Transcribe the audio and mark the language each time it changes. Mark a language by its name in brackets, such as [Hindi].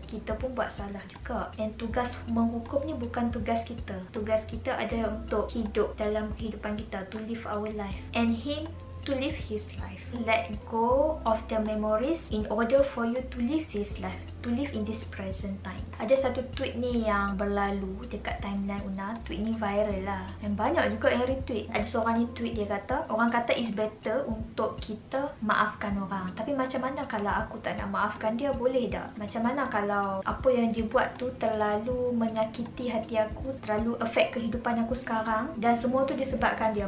[Malay] Kita pun buat salah juga. And tugas menghukum ni bukan tugas kita. Tugas kita adalah untuk hidup dalam kehidupan kita, [English] to live our life. And him to live his life. Let go of the memories in order for you to live this life to live in this present time. [Malay] Ada satu tweet ni yang berlalu dekat timeline Una. Tweet ni viral lah. Dan banyak juga yang retweet. Ada seorang ni tweet, dia kata, orang kata [English] it's better [Malay] untuk kita maafkan orang. Tapi macam mana kalau aku tak nak maafkan dia, boleh tak? Macam mana kalau apa yang dia buat tu terlalu menyakiti hati aku, terlalu affect kehidupan aku sekarang, dan semua tu disebabkan dia?